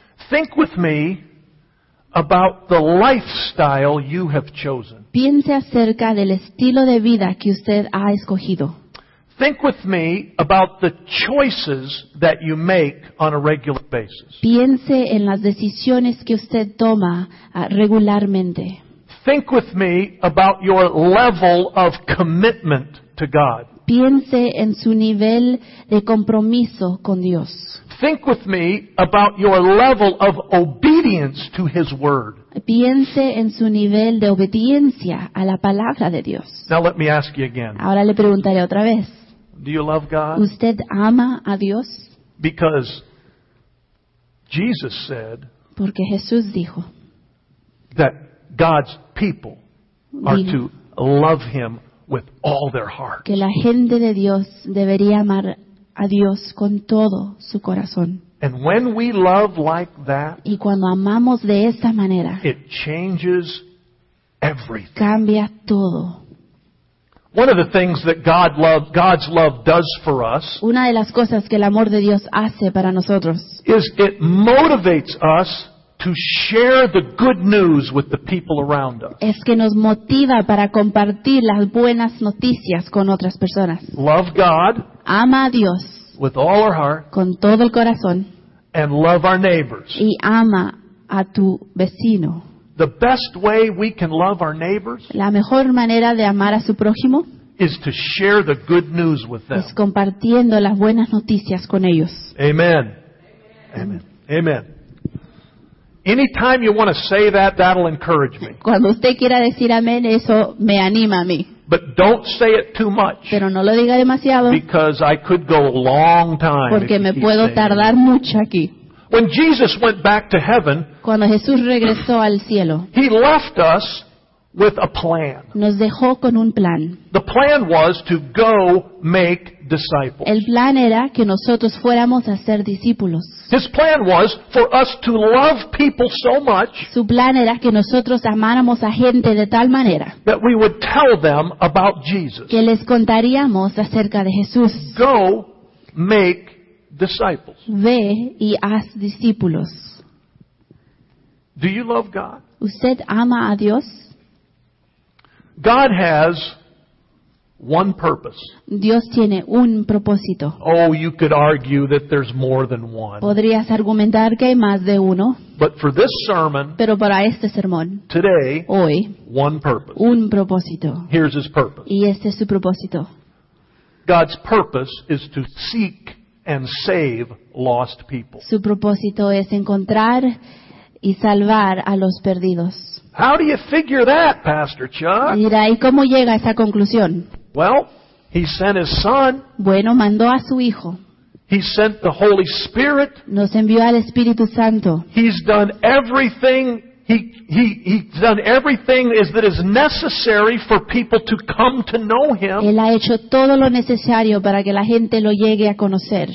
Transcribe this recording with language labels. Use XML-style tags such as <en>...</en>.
<en>Think with me about the lifestyle you have chosen.</en> <es>Piense acerca del estilo de vida que usted ha escogido.</es> <en>Think with me about the choices that you make on a regular basis.</en> <es>Piense en las decisiones que usted toma regularmente.</es> <en>Think with me about your level of commitment to God.</en> <es>Piense en su nivel de compromiso con Dios.</es> <en>Think with me about your level of obedience to His Word.</en> <es>Piense en su nivel de obediencia a la palabra de Dios.</es> <en>Now let me ask you again.</en> <es>Ahora le preguntaré otra vez.</es> <en>Do you love God?</en> <es>¿Usted ama a Dios?</es> <en>Because Jesus said,</en> <es>porque Jesús dijo,</es> <en>that God's people are to love Him with all their heart.</en> <es>Que la gente de Dios debería amar a Dios con todo su corazón.</es> <en>And when we love like that,</en> <es>y cuando amamos de esa manera,</es> <en>it changes everything.</en> <es>Cambia todo.</es> <en>One of the things that God's love does for us,</en> <es>una de las cosas que el amor de Dios hace para nosotros,</es> <en>is it motivates us to share the good news with the people around us.</en> <es>Es que nos motiva para compartir las buenas noticias con otras personas.</es> <en>Love God.</en> <es>Ama a Dios.</es> <en>With all our heart.</en> <es>Con todo el corazón.</es> <en>And love our neighbors.</en> <es>Y ama a tu vecino.</es> <en>The best way we can love our neighbors,</en> <es>la mejor manera de amar a su prójimo,</es> <en>is to share the good news with them.</en> <es>Es compartiendo las buenas noticias con ellos.</es> <en>Amen. Amen. Amen. Amen. Anytime you want to say that, that'll encourage me.</en> <es>Cuando usted quiera decir amén, eso me anima a mí.</es> <en>But don't say it too much.</en> <es>Pero no lo diga demasiado.</es> <en>Because I could go a long time.</en> <es>Porque me puedo tardar mucho aquí.</es> <en>When Jesus went back to heaven,</en> <es>cuando Jesús regresó al cielo,</es> <en>He left us with a plan.</en> <es>Nos dejó con un plan.</es> <en>The plan was to go make disciples.</en> <es>El plan era que nosotros fuéramos a ser discípulos.</es> <en>His plan was for us to love people so much.</en> <es>Su plan era que nosotros amáramos a gente de tal manera</es> <en>that we would tell them about Jesus.</en> <es>Que les contaríamos acerca de Jesús.</es> <en>Go make disciples.</en> <es>Ve y haz discípulos.</es> <en>Do you love God?</en> <es>¿Usted ama a Dios?</es> <en>God has one purpose.</en> <es>Dios tiene un propósito.</es> <en>Oh, you could argue that there's more than one.</en> <es>Podrías argumentar que hay más de uno.</es> <en>But for this sermon,</en> <es>pero para este sermón,</es> <en>today,</en> <es>hoy,</es> <en>one purpose.</en> <es>Un propósito.</es> <en>Here's His purpose.</en> <es>Y este es su propósito.</es> <en>God's purpose is to seek and save lost people.</en> <es>Su propósito es encontrar y salvar a los perdidos.</es> <en>How do you figure that, Pastor Chuck?</en> <es>Mira, ¿y cómo llega a esa conclusión?</es> <en>Well, He sent His Son.</en> <es>Bueno, mandó a su Hijo.</es> <en>He sent the Holy Spirit.</en> <es>Nos envió al Espíritu Santo.</es> <en>He's done everything He's done everything that is necessary for people to come to know Him.</en> <es>Él ha hecho todo lo necesario para que la gente lo llegue a conocer.</es>